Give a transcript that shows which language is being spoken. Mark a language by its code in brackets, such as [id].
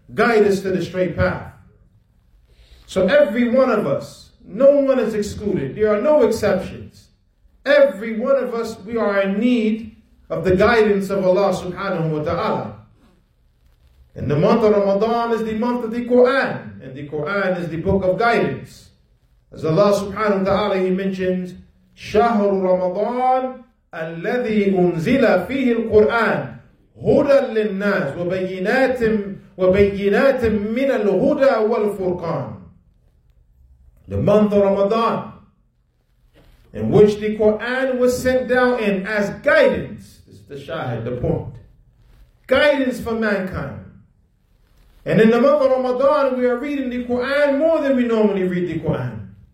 [en] Guide us to the straight path. So every one of us, no one is excluded. There are no exceptions. Every one of us, we are in need of the guidance of Allah subhanahu wa ta'ala. And the month of Ramadan is the month of the Quran. And the Quran is the book of guidance. As Allah subhanahu wa ta'ala, He mentions, [ar] شهر رمضان الذي أنزل فيه القرآن هدى للناس وبينات من الهدى والفرقان. [en] The month of Ramadan, in which the Quran was sent down in as guidance. This is the shahid, the point. Guidance for mankind. And in the month of Ramadan, we are reading the Quran more than we normally read the Quran.